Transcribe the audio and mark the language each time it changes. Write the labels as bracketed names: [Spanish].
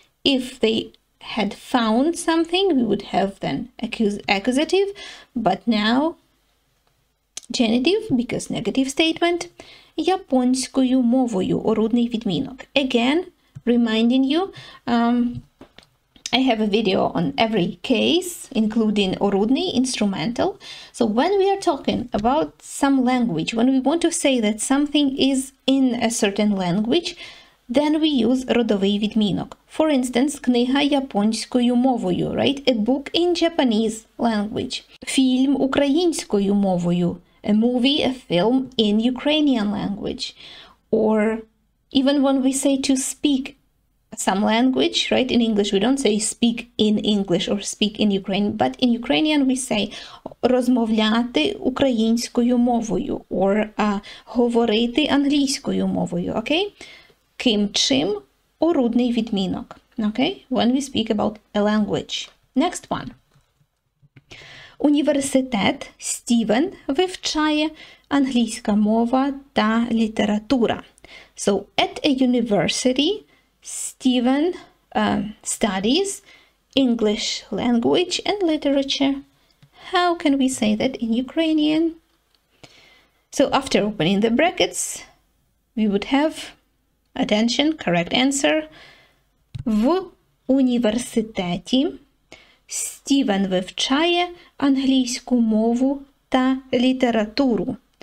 [English] If they had found something, we would have then accusative, but now genitive, because negative statement. [Ukrainian] Японською мовою, орудний відмінок. [English] Again, reminding you, I have a video on every case, including orudni, instrumental. So when we are talking about some language, when we want to say that something is in a certain language, then we use родовий відмінок. For instance, [Ukrainian] книга японською мовою, [English] right? A book in Japanese language. [Ukrainian] Фільм українською мовою. [English] A movie, a film in Ukrainian language. Or even when we say to speak some language, right? In English, we don't say speak in English or speak in Ukraine, but in Ukrainian we say [Ukrainian] розмовляти українською мовою [English] or [Ukrainian] говорити англійською мовою, [English] okay? [Ukrainian] Ким чим орудний відмінок, okay? [English] When we speak about a language. Next one. [Ukrainian] Університет Стівен вивчає англійська мова та література. [English] So, at a university, Stephen studies English language and literature. How can we say that in Ukrainian? So after opening the brackets, we would have, attention, correct answer. [Ukrainian] В університеті Стівен вивчає англійську мову та літературу.